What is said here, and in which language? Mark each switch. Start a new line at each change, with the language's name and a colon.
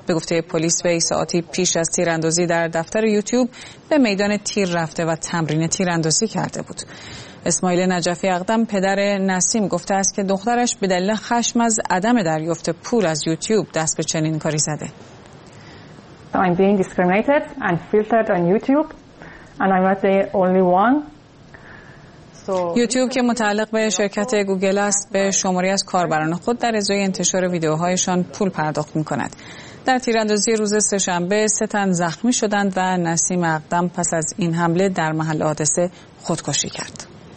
Persian: به گفته پلیس وی ساعتی پیش از تیراندازی در دفتر یوتیوب به میدان تیر رفته و تمرین تیراندازی کرده بود. اسماعیل نجفی اقدم پدر نسیم گفته است که دخترش به دلیل خشم از عدم دریافت پول از یوتیوب دست به چنین کاری زده.
English: I'm being discriminated and filtered on YouTube and I'm not the only one.
Persian: یوتیوب که متعلق به شرکت گوگل است به شماری از کاربران خود در ازای انتشار ویدیوهایشان پول پرداخت می کند. در تیراندازی روز سه‌شنبه 3 تن زخمی شدند و نسیم اقدم پس از این حمله در محل حادثه خودکشی کرد.